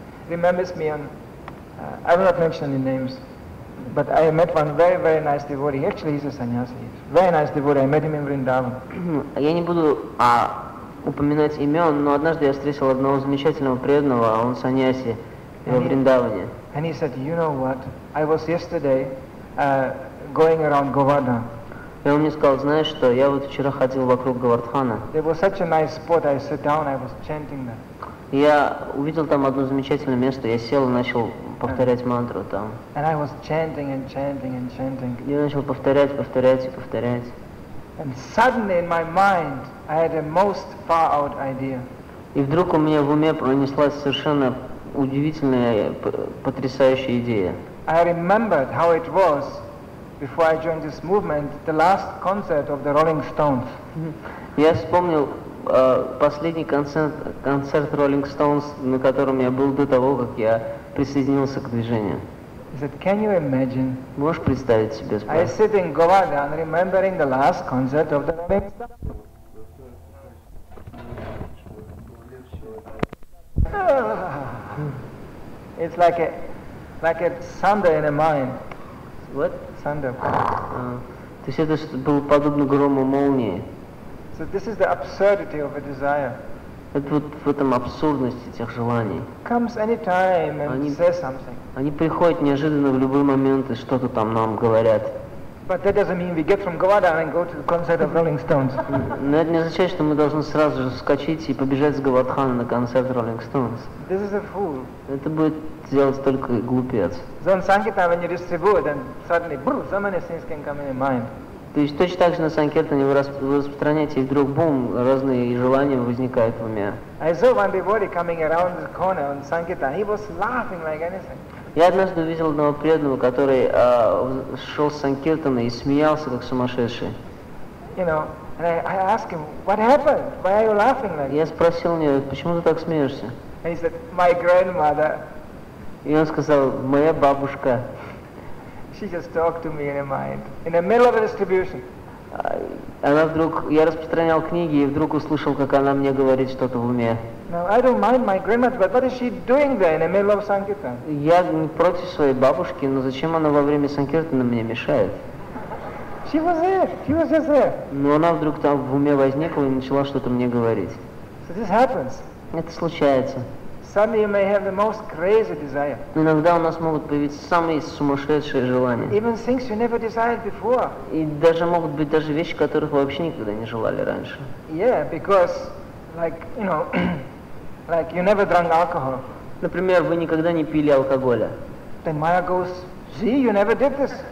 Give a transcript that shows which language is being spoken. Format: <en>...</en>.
<en>Remembers me on, I will not mention any names, but I met one very, very nice devotee. Actually, he's a sannyasi. Very nice devotee. I met him in Vrindavan.</en> <ru>Я не буду упоминать имен, но однажды я встретил одного замечательного преданного, он сannyasi, в Вриндаване.</ru> <en>And he said, you know what? I was yesterday going around Govardhan.</en> <ru>И он мне сказал, знаешь что? Я вот вчера ходил вокруг Говардхана.</ru> <en>There was such a nice spot. I sat down. I was chanting there.</en> <ru>Я увидел там одно замечательное место, я сел и начал повторять мантру там.</ru> <en>And I was chanting and chanting and chanting.</en> <ru>Я начал повторять, повторять и повторять.</ru> <en>And suddenly in my mind I had a most far out idea.</en> <ru>И вдруг у меня в уме пронеслась совершенно удивительная, потрясающая идея.</ru> <en>I remembered how it was before I joined this movement, the last concert of the Rolling Stones.</en> <ru>Я вспомнил последний концерт Rolling Stones, на котором я был до того, как я присоединился к движению.</ru> <en>He said, can you imagine?</en> <ru>Можешь представить себе, спрашивает?</ru> <en>I sit in Govardhan remembering the last concert of the Rolling Stones. It's like a thunder in a mind. What? Thunder.</en> <ru>То есть это было подобно грому молнии.</ru> <en>So this is the absurdity of a desire.</en> <ru>Это вот в этом абсурдность этих желаний.</ru> <en>Comes anytime and</en> <ru>они,</ru> <en>says something.</en> <ru>Они приходят неожиданно в любой момент и что-то там нам говорят.</ru> <en>But that doesn't mean we get from Govardhan and go to the concert of Rolling Stones.</en> <ru>Но это не означает, что мы должны сразу же вскочить и побежать с Говардхана на концерт Rolling Stones.</ru> <en>This is a fool.</en> <ru>Это будет делать только глупец.</ru> <en>Then sankirtan when you distribute, then suddenly, so many things can come in your mind.</en> <ru>То есть точно так же на санкиртане вы распространяете, и вдруг бум, разные желания возникают в уме.</ru> <en>I saw one devotee coming around the corner on sankirtan. He was laughing like anything.</en> <ru>Я однажды увидел одного преданного, который шел с санкиртана и смеялся как сумасшедший.</ru> <en>You know, and I asked him, what happened? Why are you laughing like?</en> <ru>Я спросил у него, почему ты так смеешься?</ru> <en>And he said, my grandmother.</en> <ru>И он сказал, моя бабушка.</ru> <en>She just talked to me in her mind, in the middle of the distribution.</en> <ru>Она вдруг, я распространял книги и вдруг услышал, как она мне говорит что-то в уме.</ru> <en>Now I don't mind my grandmother, but what is she doing there in the middle of sankirtan?</en> <ru>Я не против своей бабушки, но зачем она во время санкиртана мне мешает?</ru> <en>She was there, she was just there.</en> <ru>Но она вдруг там в уме возникла и начала что-то мне говорить.</ru> <en>So this happens.</en> <ru>Это случается.</ru> <en>Suddenly you may have the most crazy desire.</en> <ru>Иногда у нас могут появиться самые сумасшедшие желания.</ru> <en>Even things you never desired before.</en> <ru>И даже могут быть даже вещи, которых вы вообще никогда не желали раньше.</ru> <en>Yeah, because like, you know, like you never drank alcohol.</en> <ru>Например, вы никогда не пили алкоголя.</ru> <en>Then Maya goes, see, you never did this.</en>